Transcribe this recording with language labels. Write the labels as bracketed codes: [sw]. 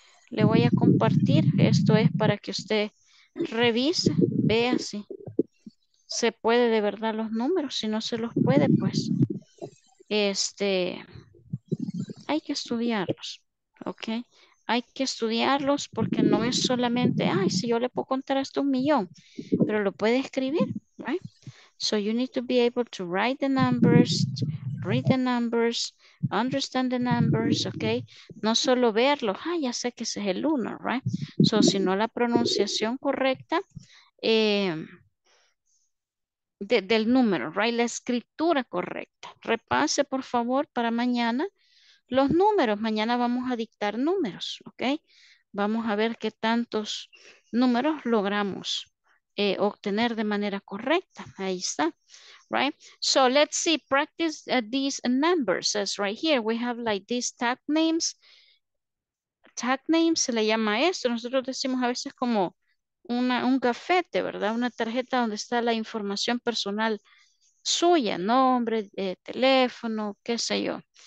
[es] Le voy a compartir. Esto es para que usted revise, vea si se puede de verdad los números. Si no se los puede, pues hay que estudiarlos, ¿ok? Hay que estudiarlos porque no es solamente, ay, si yo le puedo contar hasta un millón, pero lo puede escribir, right? [en] So you need to be able to write the numbers, read the numbers, understand the numbers, ok? [es] No solo verlos, ah, ya sé que ese es el 1, right? So, si no la pronunciación correcta del número, right? La escritura correcta. Repase, por favor, para mañana los números. Mañana vamos a dictar números, ok? Vamos a ver qué tantos números logramos obtener de manera correcta. Ahí está. [en] Right, so let's see, practice these numbers. As right here, we have like these tag names. Tag names, [es] se le llama esto. Nosotros decimos a veces como un gafete, ¿verdad? Una tarjeta donde está la información personal suya, nombre, teléfono, qué sé yo.